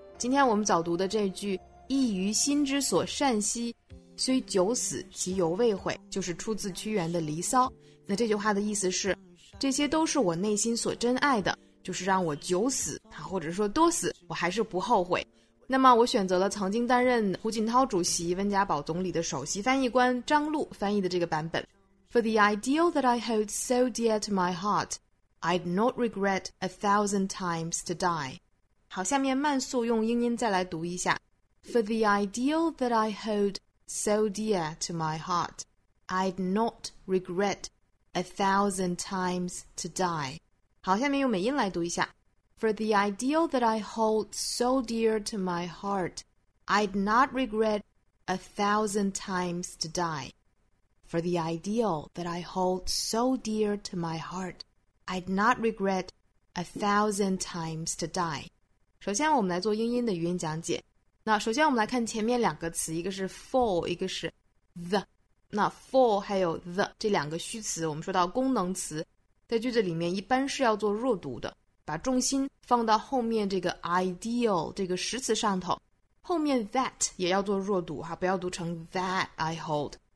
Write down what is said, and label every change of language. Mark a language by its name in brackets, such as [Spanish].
[Chinese] 今天我们早读的这句“亦于心之所善兮，虽九死其犹未悔”，就是出自屈原的《离骚》。那这句话的意思是，这些都是我内心所珍爱的，就是让我九死或者说多死，我还是不后悔。那么我选择了曾经担任胡锦涛主席、温家宝总理的首席翻译官张璐翻译的这个版本。 [English] For the ideal that I hold so dear to my heart, I'd not regret 1,000 times to die. [Chinese] 好，下面慢速用英音再来读一下。 [English] For the ideal that I hold so dear to my heart, I'd not regret 1,000 times to die. [Chinese] 好，下面用美音来读一下。 [English] For the ideal that I hold so dear to my heart, I'd not regret 1,000 times to die. For the ideal that I hold so dear to my heart, I'd not regret 1,000 times to die. [Chinese] 首先我们来做英音的语音讲解。那首先我们来看前面两个词，一个是 for, 一个是 the。那 for 还有 the 这两个虚词，我们说到功能词，在句子里面一般是要做弱读的，把重心放到后面这个 ideal 这个实词上头，后面 that 也要做弱读哈，不要读成 [English] that I hold。